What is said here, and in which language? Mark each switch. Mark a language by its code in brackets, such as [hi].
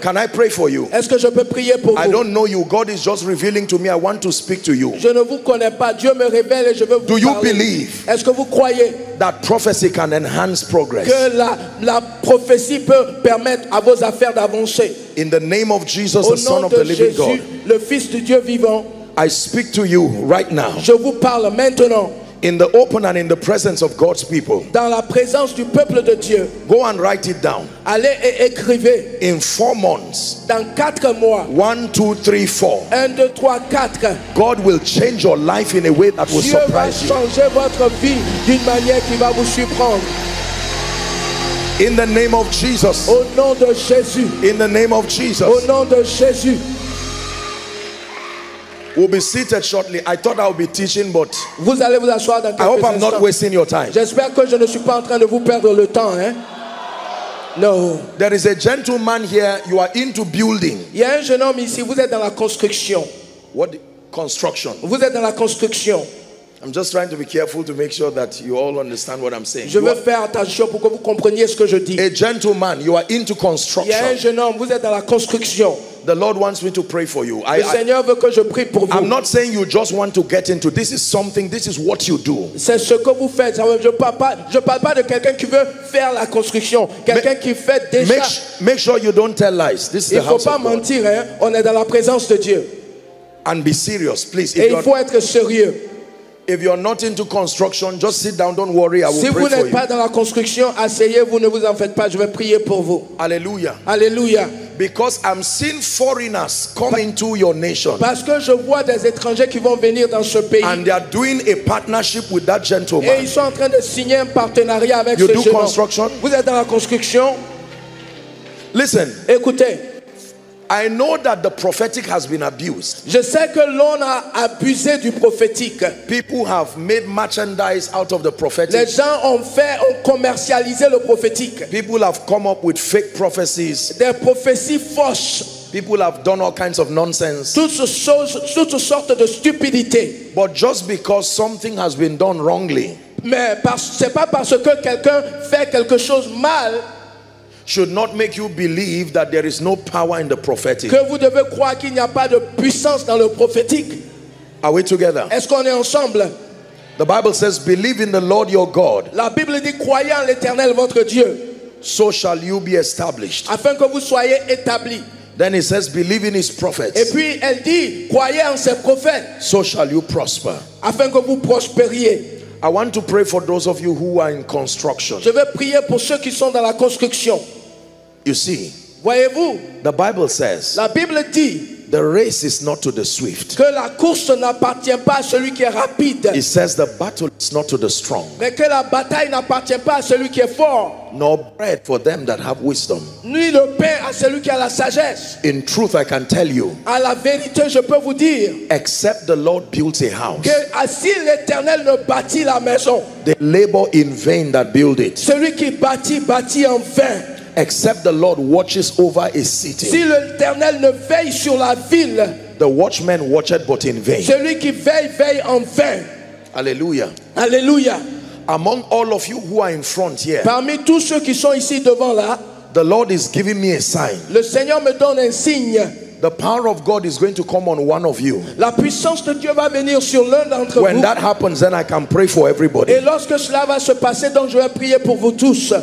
[en] Can I pray for you? [fr] Est-ce que je peux prier pour [en] I [fr] vous? [en] I don't know you. God is just revealing to me. I want to speak to you. [fr] Je ne vous connais pas. Dieu me révèle et je veux vous parler. [en] Do you believe? [fr] Est-ce que vous croyez? [en] That prophecy can enhance progress. [fr] Que la prophétie peut permettre à vos affaires d'avancer. [en] In the name of Jesus, the Son of the [fr] Jésus, [en] living God. [fr] Le Fils de Dieu vivant. [en] I speak to you right now. [fr] Je vous parle maintenant. [en] In the open and in the presence of God's people. [fr] Dans la présence du peuple de Dieu. [en] Go and write it down. [fr] Allez et écrivez. [en] In 4 months. [fr] Dans 4 mois. [en] 1, 2, 3, 4. [fr] 1, 2, 3, 4. [en] God will change your life in a way that will [fr] Dieu [en] surprise you. [fr] Dieu va changer votre vie d'une manière qui va vous surprendre. [en] In the name of Jesus. [fr] Au nom de Jésus. [en] In the name of Jesus. [fr] Au nom de Jésus. [en] We'll be seated shortly. I thought I'll be teaching, but [fr] vous allez vous asseoir dans quelques [en] I hope I'm [fr] instants. [en] Not wasting your time. [fr] J'espère que je ne suis pas en train de vous perdre le temps, hein? [en] No. There is a gentleman here. You are into building. [fr] Il y a un jeune homme ici. Vous êtes dans la construction. [en] What construction? [fr] Vous êtes dans la construction. [en] I'm just trying to be careful to make sure that you all understand what I'm saying. [fr] Je veux faire attention pour que vous compreniez ce que je dis. [en] A gentleman, you are into construction. [fr] Il y a un jeune homme, vous êtes dans la construction. [en] The Lord wants me to pray for you. [fr] Le Seigneur veut que je prie pour vous. [en] I'm not saying you just want to get into this is something, this is what you do. [fr] C'est ce que vous faites. Je parle pas de quelqu'un qui veut faire la construction, quelqu'un qui fait déjà. [en] Make sure you don't tell lies. This is the house of God. [fr] Il faut pas mentir, hein. On est dans la présence de Dieu. [en] And be serious, please. [fr] Et il faut être sérieux. [en] If you're not into construction, just sit down. Don't worry, I will [fr] si [en] pray for you. [fr] Si vous n'êtes pas dans la construction, asseyez-vous, ne vous en faites pas. Je vais prier pour vous. Alléluia. Alléluia. [en] Because I'm seeing foreigners come into your nation. [fr] Parce que je vois des étrangers qui vont venir dans ce pays. [en] And they are doing a partnership with that gentleman. [fr] Et ils sont en train de signer un partenariat avec [en] you [fr] ce [en] do [fr] jeune [en] construction? [fr] Vous êtes dans la construction. [en] Listen. [fr] Écoutez. [en] I know that the prophetic has been abused. [fr] Je sais que l'on a abusé du prophétique. [en] People have made merchandise out of the prophetic. [fr] Les gens ont commercialisé le prophétique. [en] People have come up with fake prophecies. [fr] Des prophéties fausses. [en] People have done all kinds of nonsense. [fr] Toutes sortes de stupidité. [en] But just because something has been done wrongly. [fr] Mais c'est pas parce que quelqu'un fait quelque chose mal. [en] Should not make you believe that there is no power in the prophetic. [fr] Que vous devez croire qu'il n'y a pas de puissance dans le prophétique. [en] Are we together? [fr] Est-ce qu'on est ensemble? [en] The Bible says, "Believe in the Lord your God." [fr] La Bible dit, croyez en l'Éternel votre Dieu. [en] So shall you be established. [fr] Afin que vous soyez établi. [en] Then it says, "Believe in his prophets." [fr] Et puis elle dit, croyez en ses prophètes. [en] So shall you prosper. [fr] Afin que vous prospériez. [en] I want to pray for those of you who are in construction. [fr] Je vais prier pour ceux qui sont dans la construction. [en] You see, [fr] voyez-vous, [en] the Bible says, [fr] la Bible dit, [en] the race is not to the swift. [fr] Que la course n'appartient pas à celui qui est rapide. [en] It says the battle is not to the strong. [fr] Mais que la bataille n'appartient pas à celui qui est fort. [en] Nor bread for them that have wisdom. [fr] Ni le pain à celui qui a la sagesse. [en] In truth, I can tell you. [fr] À la vérité, je peux vous dire. [en] Except the Lord builds a house. [fr] Que si l'Éternel ne bâtit la maison. [en] They labor in vain that build it. [fr] Celui qui bâtit en vain. [en] except the Lord watches over a city. [fr] Si l'Éternel ne veille sur la ville, [en] the watchman watcheth but in vain. [fr] Celui qui veille, veille en vain. [en] Hallelujah. [fr] Hallelujah. [en] Among all of you who are in front here, [fr] parmi tous ceux qui sont ici devant là, [en] the Lord is giving me a sign. [fr] Le Seigneur me donne un signe. [en] The power of God is going to come on one of you. [fr] La puissance de Dieu va venir sur l'un d'entre vous. [en] When that happens, then I can pray for everybody. [fr] Et lorsque cela va se passer, donc je vais prier pour vous tous.